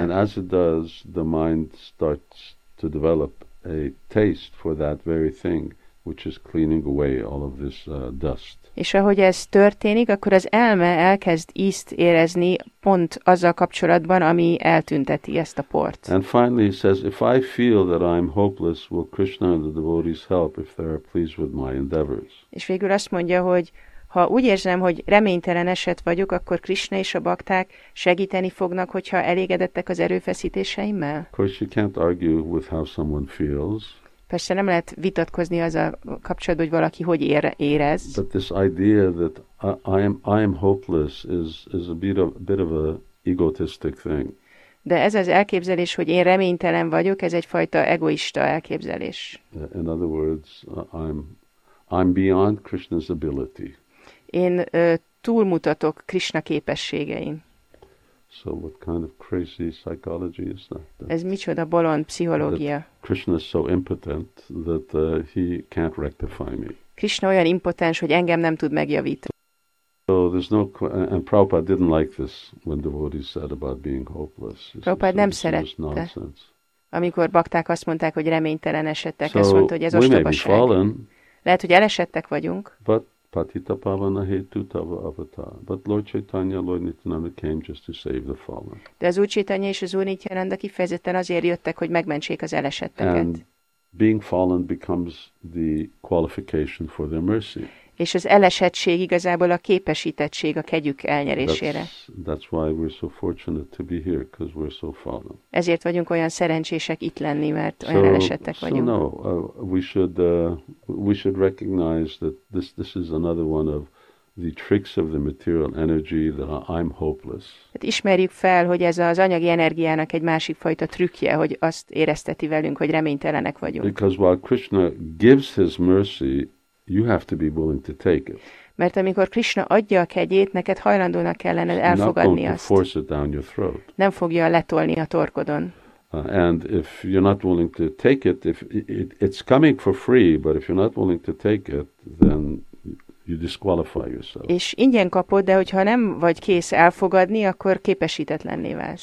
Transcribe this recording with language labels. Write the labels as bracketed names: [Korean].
[English] And as it does, the mind starts to develop a taste for that very thing, which is cleaning away all of this dust. [Hungarian] És ahogy ez történik, akkor az elme elkezd ízt érezni pont azzal kapcsolatban, ami eltünteti ezt a port. [English] And finally he says, if I feel that I'm hopeless, will Krishna and the devotees help if they are pleased with my endeavors? [Hungarian] És végül azt mondja, hogy ha úgy érzem, hogy reménytelen eset vagyok, akkor Krishna és a bakták segíteni fognak, hogyha elégedettek az erőfeszítéseimmel? [English] Of course you can't argue with how someone feels. [Hungarian] Persze nem lehet vitatkozni az a kapcsolatban, hogy valaki hogy érez. [English] But this idea that I am hopeless is a bit of a egotistic thing. [Hungarian] De ez az elképzelés, hogy én reménytelen vagyok, ez egyfajta egoista elképzelés. [English] In other words, I'm beyond Krishna's ability. [Hungarian] Én túlmutatok Krishna képességein. [English] So what kind of crazy psychology is that? [Hungarian] Ez micsoda bolond pszichológia? [English] Krishna is so impotent that he can't rectify me. [Hungarian] Krishna olyan impotens, hogy engem nem tud megjavítani. [English] So there's no and Prabhupada didn't like this when devotees said about being hopeless. [Hungarian] Prabhupada nem szerette. Amikor bakták azt mondták, hogy reménytelen esettek, azt mondta, hogy ez ostobaság. Lehet, hogy elesettek vagyunk. [English] But [Bangla] Patita pavana hetu tava avatar. [English] But Lord Chaitanya, Lord Nityananda came just to save the fallen. [Hungarian] De az Úr Chaitanya és az Úr Nityananda kifejezetten azért jöttek, hogy megmentsék az elesetteket. [English] And being fallen becomes the qualification for their mercy. [Hungarian] És az elesettség igazából a képesítettség a kegyük elnyerésére. [English] That's why we're so fortunate to be here, because we're so fallen. [Hungarian] Ezért vagyunk olyan szerencsések itt lenni, mert olyan elesettek vagyunk. [English] So no, we should recognize that this is another one of the tricks of the material energy, that I'm hopeless. [Hungarian] Hát ismerjük fel, hogy ez az anyagi energiának egy másik fajta trükkje, hogy azt érezteti velünk, hogy reménytelenek vagyunk. [English] Because while Krishna gives his mercy, you have to be willing to take it. [Hungarian] Mert amikor Krishna adja a kegyét, neked hajlandónak kellene elfogadni azt. [English] Not going to force it down your throat. [Hungarian] Nem fogja letolni a torkodon. [English] And if you're not willing to take it, if it's coming for free, but if you're not willing to take it, then you disqualify yourself. [Hungarian] És ingyen kapod, de hogyha nem vagy kész elfogadni, akkor képesítetlenné válsz.